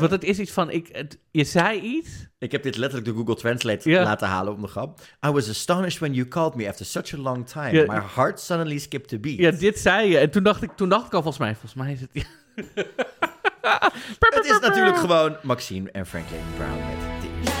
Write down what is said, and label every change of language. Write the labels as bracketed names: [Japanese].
[Dutch] Want het is iets van, je zei iets. Ik heb dit letterlijk de Google Translate laten halen om de grap. [English] I was astonished when you called me after such a long time. Yeah. My heart suddenly skipped a beat. [Dutch] Ja, dit zei je. En toen dacht ik al, volgens mij is het... Het is natuurlijk gewoon Maxine en Franklin Brown met...